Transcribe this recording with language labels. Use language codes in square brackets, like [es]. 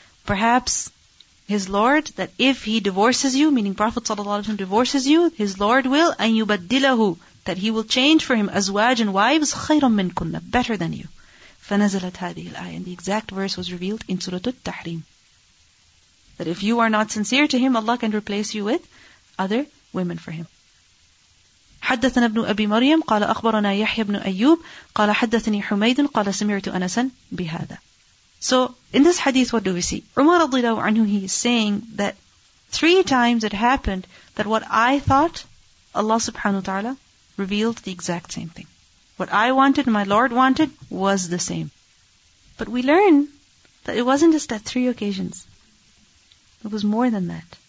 [en] Perhaps his Lord, that if he divorces you, meaning Prophet ﷺ divorces you, his Lord will, [ar] أَن يُبَدِّلَهُ, [en] that he will change for him أزواج and wives [ar] خَيْرًا مِنْكُنَّ, [en] better than you. [ar] فَنَزَلَتْ هَذِهِ الْآيَةِ. [en] And the exact verse was revealed in Surah Al-Tahrim, that if you are not sincere to him, Allah can replace you with other women for him. [ar] حدثنا ابن أبي مريم قال أخبرنا يحيى بن أيوب قال حدثني حميد قال سمعت أنسا بهذا. [en] So in this hadith, what do we see? Umar رضي الله عنه, he is saying that three times it happened that what I thought, Allah subhanahu wa ta'ala revealed the exact same thing. What I wanted, my Lord wanted, was the same. But we learn that it wasn't just that three occasions. It was more than that.